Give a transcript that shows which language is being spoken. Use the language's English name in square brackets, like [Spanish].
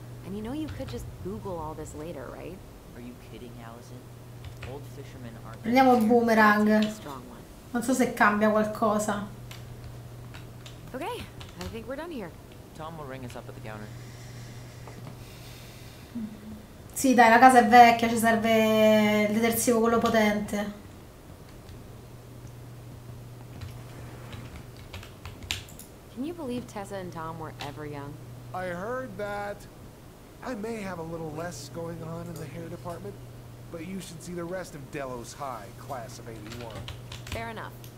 [English] And you know you could just Google all this later, right? Are you kidding, Allison? Old fishermen aren't. [Italian] Prendiamo il boomerang. Non so se cambia qualcosa. [English] Okay, I think we're done here. Tom will ring us up at the counter. [Italian] Sì, dai, la casa è vecchia, ci serve il detersivo quello potente. [English] Can you believe Tessa and Tom were ever young? I heard that. I may have a little less going on in the hair department, but you should see the rest of Delos High, class of 81. Fair enough.